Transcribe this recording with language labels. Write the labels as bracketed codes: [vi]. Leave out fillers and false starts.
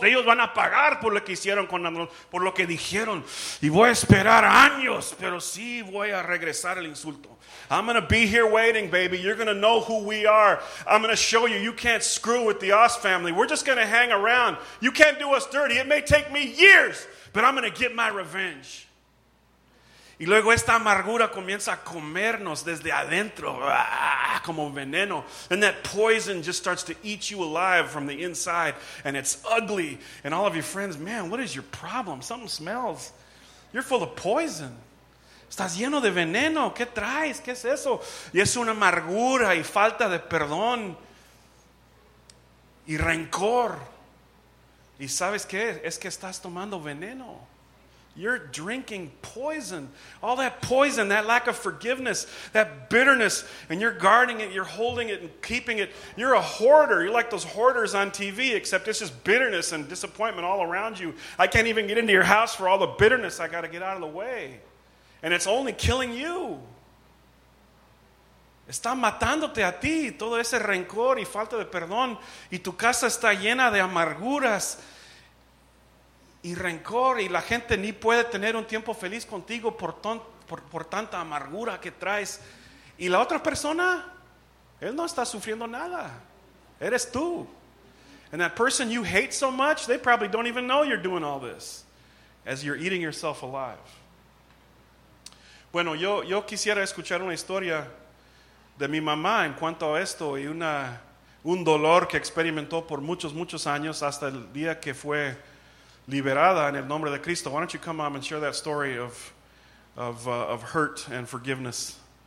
[es] Ellos van a pagar por lo que hicieron, por lo que dijeron. Y voy a esperar años, pero sí voy a regresar el insulto. [en] I'm going to be here waiting, baby. You're going to know who we are. I'm going to show you. You can't screw with the Oss family. We're just going to hang around. You can't do us dirty. It may take me years, but I'm going to get my revenge. [es] Y luego esta amargura comienza a comernos desde adentro, como veneno. [en] And that poison just starts to eat you alive from the inside. And it's ugly. And all of your friends, man, what is your problem? Something smells. You're full of poison. [es] Estás lleno de veneno. ¿Qué traes? ¿Qué es eso? Y es una amargura y falta de perdón. Y rencor. ¿Y sabes qué? Es que estás tomando veneno. [en] You're drinking poison. All that poison, that lack of forgiveness, that bitterness, and you're guarding it, you're holding it and keeping it. You're a hoarder. You're like those hoarders on TV, except it's just bitterness and disappointment all around you. I can't even get into your house for all the bitterness I got to get out of the way. And it's only killing you. [es] Está matándote a ti todo ese rencor y falta de perdón. Y tu casa está llena de amarguras. Y rencor, y la gente ni puede tener un tiempo feliz contigo por tanta amargura que traes. Y la otra persona, él no está sufriendo nada. Eres tú. [en] And that person you hate so much, they probably don't even know you're doing all this as you're eating yourself alive. [es] Bueno, yo quisiera escuchar una historia de mi mamá en cuanto a esto y un dolor que experimentó por muchos, muchos años hasta el día que fue liberada en el nombre de Cristo. [en] Why don't you come on and share that story of hurt and forgiveness?